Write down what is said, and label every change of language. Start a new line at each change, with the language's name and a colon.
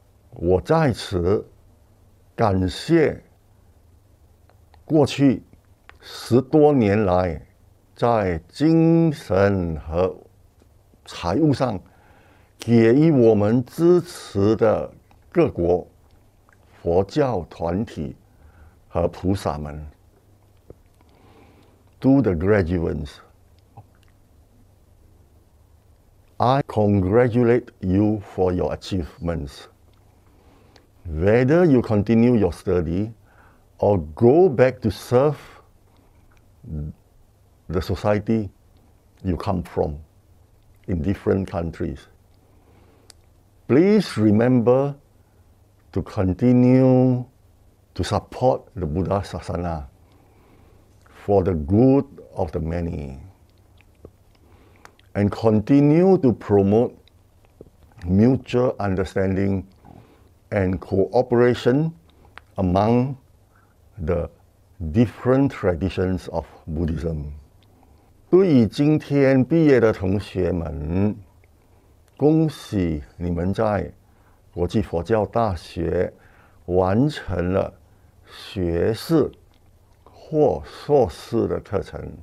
Chinese: 我在此感谢过去十多年来在精神和财务上给予我们支持的各国佛教团体和菩萨们。
English: To the graduates, I congratulate you for your achievements. Whether you continue your study or go back to serve the society you come from in different countries, please remember to continue to support the Buddha Sasana for the good of the many, and continue to promote mutual understanding and cooperation among the different traditions of Buddhism.
Chinese: 对于今天毕业的同学们，恭喜你们在国际佛教大学完成了学士或硕士的课程。